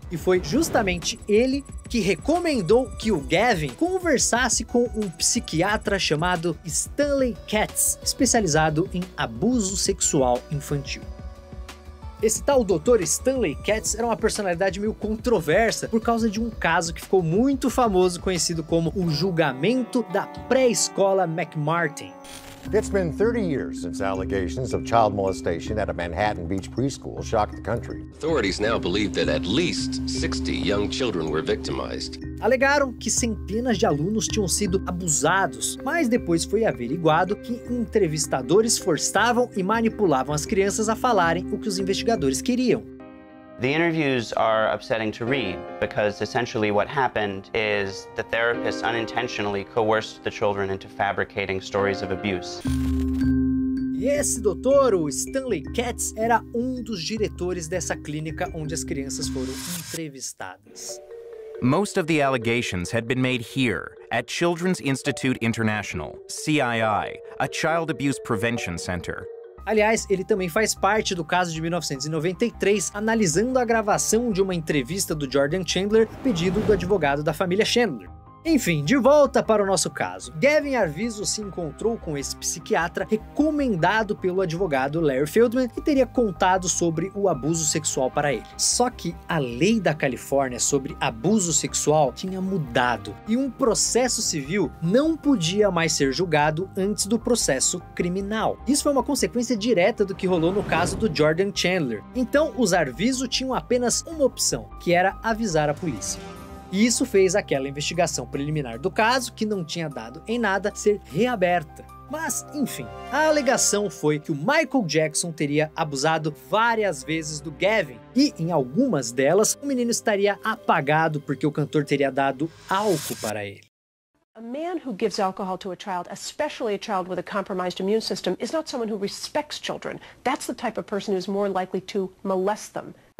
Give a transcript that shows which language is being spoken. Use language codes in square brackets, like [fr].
[pt] E foi justamente ele que recomendou que o Gavin conversasse com um psiquiatra chamado Stanley Katz, especializado em abuso sexual infantil. Esse tal Dr. Stanley Katz era uma personalidade meio controversa por causa de um caso que ficou muito famoso, conhecido como o julgamento da pré-escola McMartin. [en] It's been 30 years since allegations of child molestation at a Manhattan Beach preschool shocked the country. Authorities now believe that at least 60 young children were victimized. [pt] Alegaram que centenas de alunos tinham sido abusados, mas depois foi averiguado que entrevistadores forçavam e manipulavam as crianças a falarem o que os investigadores queriam. [en] The interviews are upsetting to read because essentially what happened is the therapist unintentionally coerced the children into fabricating stories of abuse. [pt] E esse doutor, o Stanley Katz, era um dos diretores dessa clínica onde as crianças foram entrevistadas. [en] Most of the allegations had been made here at Children's Institute International, CII, a child abuse prevention center. [pt] Aliás, ele também faz parte do caso de 1993, analisando a gravação de uma entrevista do Jordan Chandler a pedido do advogado da família Chandler. Enfim, de volta para o nosso caso. Gavin Arvizo se encontrou com esse psiquiatra recomendado pelo advogado Larry Feldman, que teria contado sobre o abuso sexual para ele. Só que a lei da Califórnia sobre abuso sexual tinha mudado e um processo civil não podia mais ser julgado antes do processo criminal. Isso foi uma consequência direta do que rolou no caso do Jordan Chandler. Então, os Arvizo tinham apenas uma opção, que era avisar a polícia. E isso fez aquela investigação preliminar do caso, que não tinha dado em nada, ser reaberta. Mas, enfim, a alegação foi que o Michael Jackson teria abusado várias vezes do Gavin e, em algumas delas, o menino estaria apagado porque o cantor teria dado álcool para ele. [en] A man who gives alcohol to a child, especially a child with a compromised immune system, is not someone who respects children. That's the type of person who is more likely to molest them.